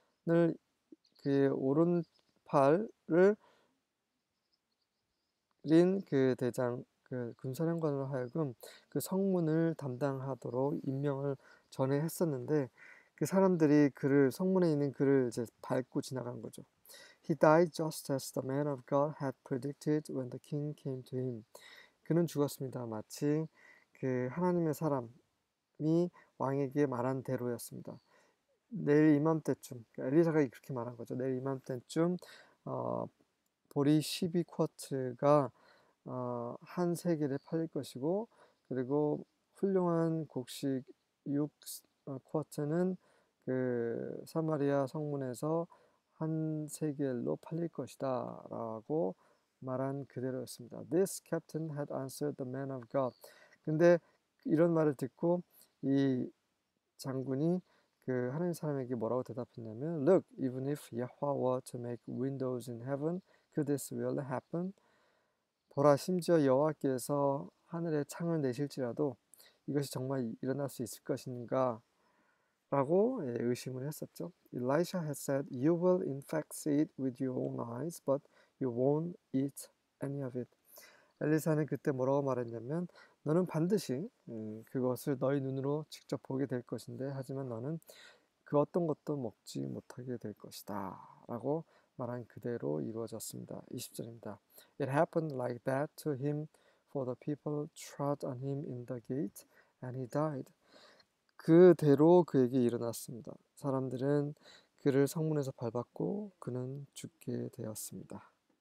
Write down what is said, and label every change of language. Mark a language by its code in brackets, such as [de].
[ko] 늘 그의 오른팔을 린그 대장, 그 군사령관으로 하여금 그 성문을 담당하도록 임명을 전에 했었는데 그 사람들이 그를 성문에 있는 그를 이제 밟고 지나간 거죠. [en] He died just as the man of God had predicted when the king came to him. [ko] 그는 죽었습니다. 마치 그 하나님의 사람이 왕에게 말한 대로였습니다. 내일 이맘때쯤 엘리사가 이렇게 말한 거죠. 내일 이맘때쯤 보리 12쿼트가 한 세겔에 팔릴 것이고 그리고 훌륭한 곡식 6쿼트는 그 사마리아 성문에서 한 세겔로 팔릴 것이다라고 말한 그대로였습니다. [en] This captain had answered the man of God. [ko] 근데 이런 말을 듣고 이 장군이 그 하나님 사람에게 뭐라고 대답했냐면, [en] Look, even if Yahweh were to make windows in heaven, could this really happen? [ko] 보라, 심지어 여호와께서 하늘에 창을 내실지라도 이것이 정말 일어날 수 있을 것인가? 라고 의심을 했었죠. [en] Elisha had said, "You will in fact see it with your own eyes, but you won't eat any of it." [ko] 엘리사는 그때 뭐라고 말했냐면, 너는 반드시 그것을 너희 눈으로 직접 보게 될 것인데, 하지만 너는 그 어떤 것도 먹지 못하게 될 것이다라고 말한 그대로 이루어졌습니다. 20절입니다. [en] It happened like that to him, for the people trod on him in the gate, and he died. [ko] 그대로 그에게 일어났습니다. 사람들은 그를 성문에서 밟았고 그는 죽게 되었습니다.